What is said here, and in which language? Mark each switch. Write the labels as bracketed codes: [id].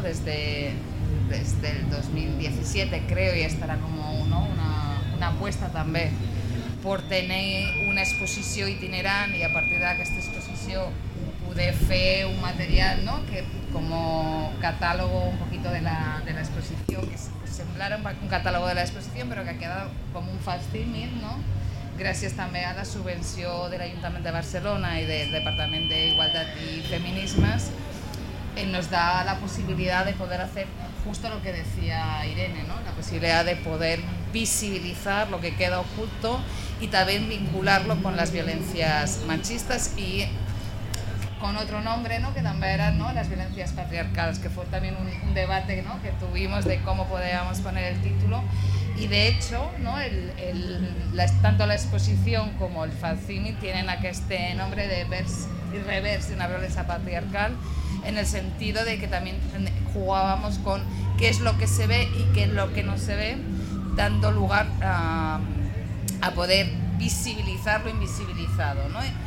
[es] Desde el 2017, creo, y estará como una apuesta también por tener una exposición itinerante y a partir de esta exposición pude hacer un material, ¿no? Que como catálogo un poquito de la exposición, que semblara un catálogo de la exposición, pero que ha quedado como un facsímil, ¿no? [ca] Gràcies també a la subvenció de l'Ajuntament de Barcelona i del Departament d'Igualtat i Feminismes, ens da la possibilitat de poder fer just el que deia Irene, ¿no? La possibilitat de poder visibilitzar el que queda oculto i també vincular-lo amb les violències machistes i [es] con otro nombre, ¿no? Que también eran, ¿no? Las violencias patriarcales, que fue también un debate, ¿no? Que tuvimos de cómo podíamos poner el título. Y de hecho, ¿no? Tanto la exposición como el fanzine tienen este nombre de vers y revers de una violencia patriarcal, en el sentido de que también jugábamos con qué es lo que se ve y qué es lo que no se ve, dando lugar a poder visibilizar lo invisibilizado, ¿no?